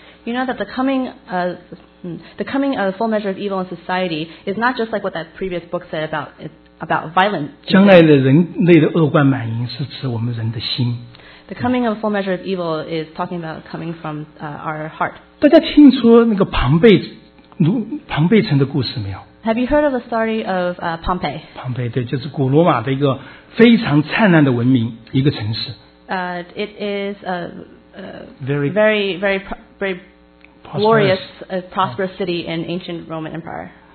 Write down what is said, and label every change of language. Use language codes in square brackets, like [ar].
[en] You know that the coming of full measure of evil in society is not just like what that previous book said about violence. [zh] 将来的人类的恶贯满盈是指我们人的心。 [en] The coming of full measure of evil is talking about coming from our heart. [zh] 大家听说那个庞贝。庞贝城的故事没有？ [en] Have you heard of the story of Pompeii? [zh] 庞贝对，就是古罗马的一个非常灿烂的文明，一个城市。 [en] It is a very glorious, prosperous city in ancient Roman Empire.